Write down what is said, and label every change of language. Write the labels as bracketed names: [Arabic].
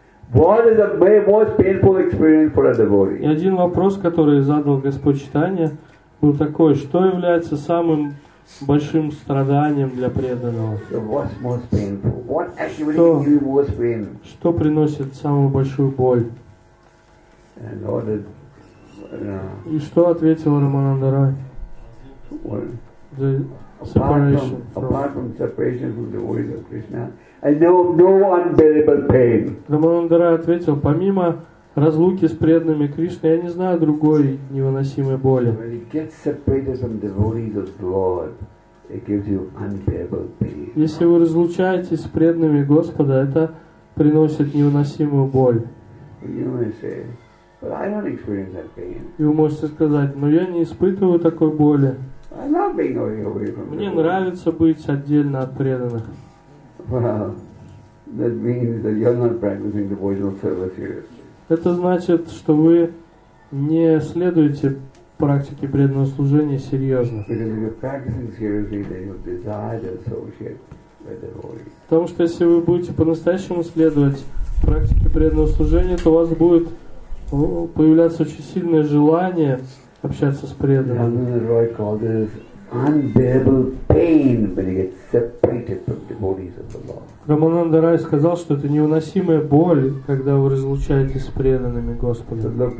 [English] What is the most painful experience for a devotee? [Russian] И один вопрос, который задал Господь Чайтанья, был такой: что является самым большим страданием для преданного? [English] So what's most painful? What actually gives you most pain? [Russian] Что приносит самую большую боль? [English] And what did, [Russian] И что ответил Рамананда Рай? [English] Apart from separation from the devotees of Krishna. I know no unbearable pain. [Russian] Рамананда Рай ответил: помимо разлуки с преданными Кришны, я не знаю другой невыносимой боли. [English] When you get separated from devotees of the Lord, it gives you unbearable pain. [Russian] Если вы разлучаетесь с преданными Господа, это приносит невыносимую боль. [English] You may say, but I don't experience that pain. [Russian] И вы можете сказать: но я не испытываю такой боли. [English] I love being away from devotees. [Russian] Мне нравится быть отдельно от преданных. [English] Well, that means that you're not practicing devotional service here. [Russian] Это значит, что вы не следуете практике преданного служения серьезно. [English] Because if you're practicing seriously, then you desire to associate with devotees. [Russian] Потому что если вы будете по-настоящему следовать практике преданного служения, то у вас будет появляться очень сильное желание общаться с преданными. [English] Unbearable pain when you get separated from the devotees of the Lord. [Russian] Рамананда Рай сказал, что это невыносимая боль, когда вы разлучаетесь с преданными Господа.